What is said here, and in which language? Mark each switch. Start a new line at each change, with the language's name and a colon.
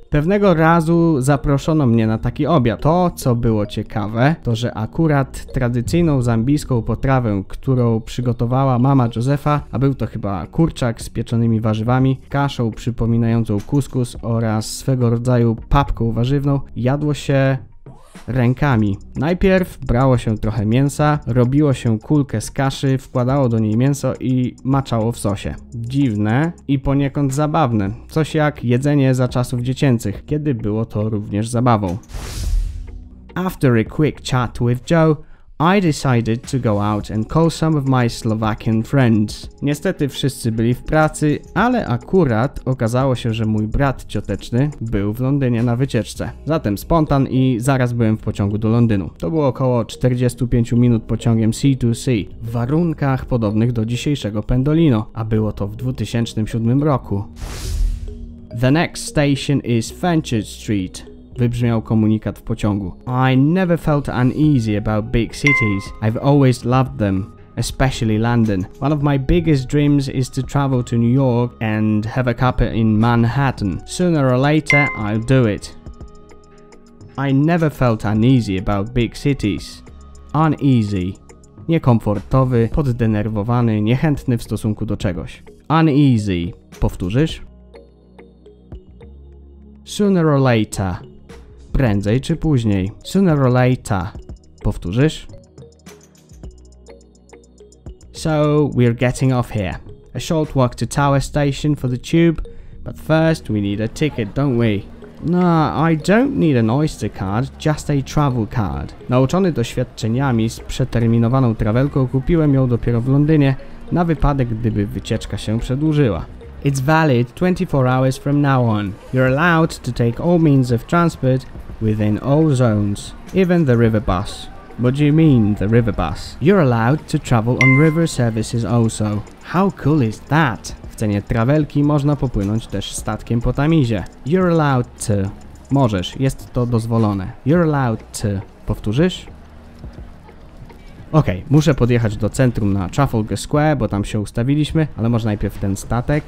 Polish: Pewnego razu zaproszono mnie na taki obiad. To, co było ciekawe, to że akurat tradycyjną zambijską potrawę, którą przygotowała mama Josepha, a był to chyba kurczak z pieczonymi warzywami, kaszą przypominającą kuskus oraz swego rodzaju papką warzywną, jadło się rękami. Najpierw brało się trochę mięsa, robiło się kulkę z kaszy, wkładało do niej mięso i maczało w sosie. Dziwne i poniekąd zabawne, coś jak jedzenie za czasów dziecięcych, kiedy było to również zabawą.
English: After a quick chat with Joe, I decided to go out and call some of my Slovakian friends.
Polish: Niestety wszyscy byli w pracy, ale akurat okazało się, że mój brat cioteczny był w Londynie na wycieczce. Zatem spontan i zaraz byłem w pociągu do Londynu. To było około 45 minut pociągiem C2C, w warunkach podobnych do dzisiejszego Pendolino, a było to w 2007 roku.
English: The next station is Fenchurch Street.
Polish: Wybrzmiał komunikat w pociągu.
English: I never felt uneasy about big cities. I've always loved them, especially London. One of my biggest dreams is to travel to New York and have a cuppa in Manhattan. Sooner or later, I'll do it. I never felt uneasy about big cities. Uneasy.
Polish: Niekomfortowy, poddenerwowany, niechętny w stosunku do czegoś.
English: Uneasy.
Polish: Powtórzysz?
English: Sooner or later.
Polish: Prędzej czy później.
English: Sooner or later.
Polish: Powtórzysz?
English: So, we're getting off here. A short walk to Tower Station for the tube, but first we need a ticket, don't we? No, I don't need an Oyster card, just a travel card.
Polish: Nauczony doświadczeniami z przeterminowaną trawelką, kupiłem ją dopiero w Londynie, na wypadek gdyby wycieczka się przedłużyła.
English: It's valid 24 hours from now on. You're allowed to take all means of transport within all zones, even the river bus. What do you mean, the river bus? You're allowed to travel on river services also. How cool is that?
Polish: W cenie trawelki można popłynąć też statkiem po Tamizie.
English: You're allowed to.
Polish: Możesz, jest to dozwolone.
English: You're allowed to.
Polish: Powtórzysz? Okej, okay, muszę podjechać do centrum na Trafalgar Square, bo tam się ustawiliśmy, ale może najpierw ten statek.